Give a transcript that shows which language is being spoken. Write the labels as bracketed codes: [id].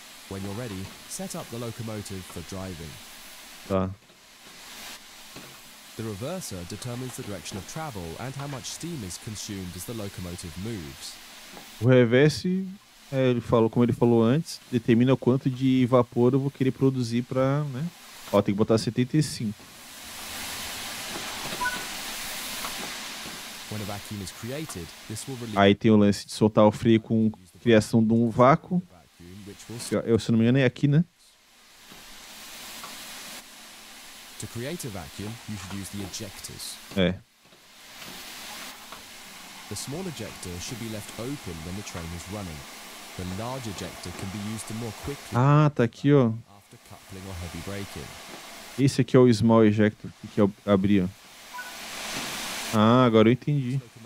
[en] When you're ready, set up the locomotive for driving. The reverser determines the direction of travel and how much steam is consumed as the locomotive moves. [pt] O reverse, ele falou, como ele falou antes, determina o quanto de vapor eu vou querer produzir para, né? Ó, tem que botar 75. [en] When a vacuum is created, this will release... [pt] Aí tem o lance de soltar o freio com criação de um vácuo. Eu, se não me engano, é aqui, né? [en] To create a vacuum, you should use the ejectors. [pt] É. [en] The small ejector should be left open when the train is running. The large ejector can be used to more quickly. [pt] Ah, tá aqui, ó. [en] After coupling or heavy braking. [pt] Esse aqui é o small ejector que eu abri, ó. Ah, agora eu entendi.